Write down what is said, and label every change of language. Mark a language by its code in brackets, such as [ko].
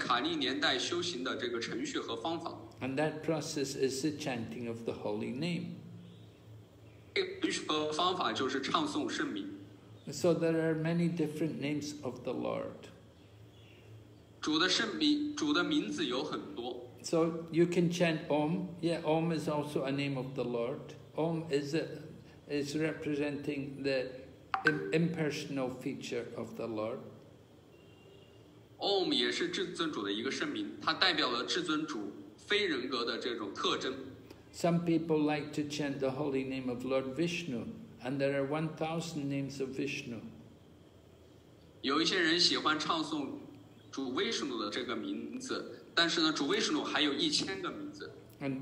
[zh] 他告诉我们在卡利年代修行的这个程序和方法。 [en] And that process is the chanting of the holy name. [zh] 这个程序和方法就是唱诵圣名。 [en] So there are many different names of the Lord. [zh] 主的圣名，主的名字有很多。 [en] So you can chant Om. Yeah, Om is also a name of the Lord. Om is a, is representing the impersonal feature of the Lord. [zh] Om 也是至尊主的一个圣名，它代表了至尊主非人格的这种特征。 [en] Some people like to chant the holy name of Lord Vishnu, and there are 1,000 names of Vishnu. [zh] 有一些人喜欢唱诵主威士努的这个名字。但是呢，主威士努还有一千个名字。 [en] And